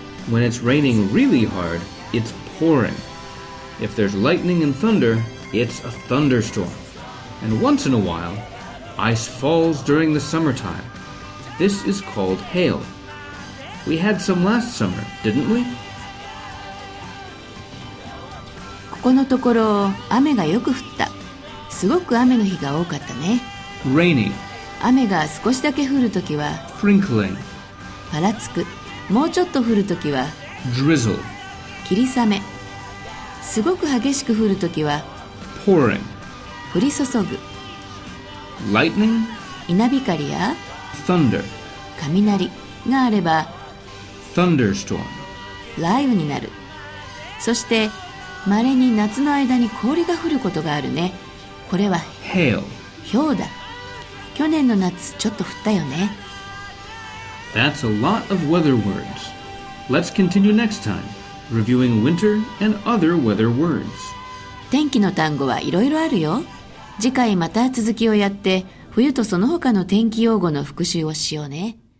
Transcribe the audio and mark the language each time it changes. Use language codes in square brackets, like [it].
[en] When it's raining really hard, it's pouring. If there's lightning and thunder, it's a thunderstorm. And once in a while, ice falls during the summertime. This is called hail. We had some last summer, didn't we? [ja] ここのところ、雨がよく降った。すごく雨の日が多かったね。 [en] Rainy. [ja] 雨が少しだけ降るときは [en] sprinkling [ja] パラつく。もうちょっと降るときは [en] drizzle [ja] 霧雨。すごく激しく降るときは [en] pouring [ja] 降り注ぐ。 [en] lightning [ja] 稲光や [en] thunder [ja] 雷があれば [en] thunderstorm [ja] 雷雨になる。そして稀に夏の間に氷が降ることがあるね。これは [en] hail [ja] 氷だ。去年の夏ちょっと降ったよね。 [en] That's a lot of weather words. Let's continue next time, reviewing winter and other weather words. [ja] 天気の単語はいろいろあるよ。次回また続きをやって、冬とその他の天気用語の復習をしようね。